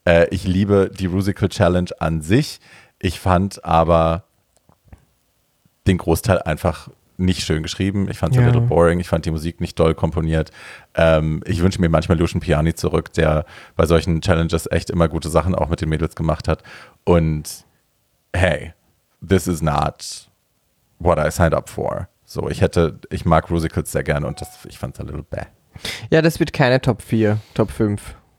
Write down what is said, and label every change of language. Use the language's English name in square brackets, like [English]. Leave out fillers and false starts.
[German] Ich liebe die Rusical Challenge an sich. Ich fand aber den Großteil einfach nicht schön geschrieben. Ich fand es ein [English] little boring. [German] Ich fand die Musik nicht doll komponiert. Ich wünsche mir manchmal Lucian Piani zurück, der bei solchen Challenges echt immer gute Sachen auch mit den Mädels gemacht hat. [English] Und hey, this is not what I signed up for. [German] So, ich mag Rusicals sehr gerne und das, ich fand es ein little bäh. Ja, das wird keine Top 4, Top 5.